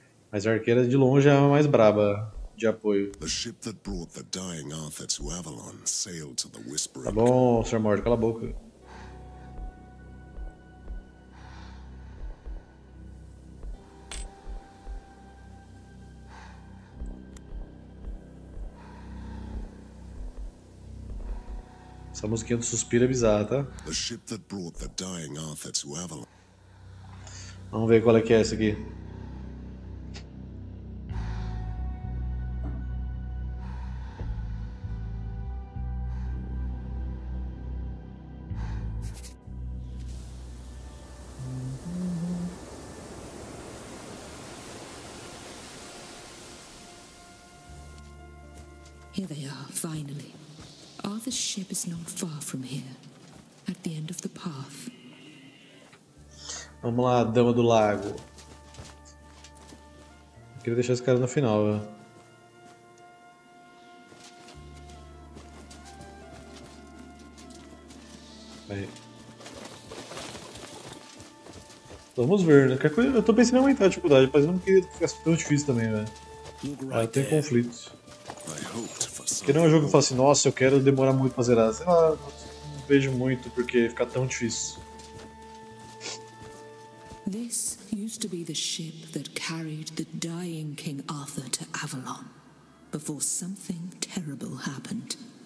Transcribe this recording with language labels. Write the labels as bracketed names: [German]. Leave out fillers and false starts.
[Portuguese] Mas a arqueira de longe é a mais braba de apoio. [English] The ship that brought the dying Arthur to Avalon sailed to the Whispering. [Portuguese] Tá bom, Sr. Mord, cala a boca. Essa musiquinha do suspiro é bizarra, tá? [English] The ship that brought the dying Arthur to Avalon. [Portuguese] Vamos ver qual é que é essa aqui. [English] Here they are, finally. Arthur's ship is not far from here, at the end of the path. [Portuguese] Vamos lá, Dama do Lago. Eu queria deixar esse cara no final, velho. Aí. Vamos ver, né? Eu tô pensando em aumentar a dificuldade, mas eu não queria que ficasse tão difícil também, velho. Aí tem conflitos. Porque não é um jogo que eu falo assim, nossa, eu quero demorar muito pra zerar. Sei lá, não vejo muito porque fica tão difícil. [English] This used to be the ship that carried the dying King Arthur to Avalon before something terrible happened.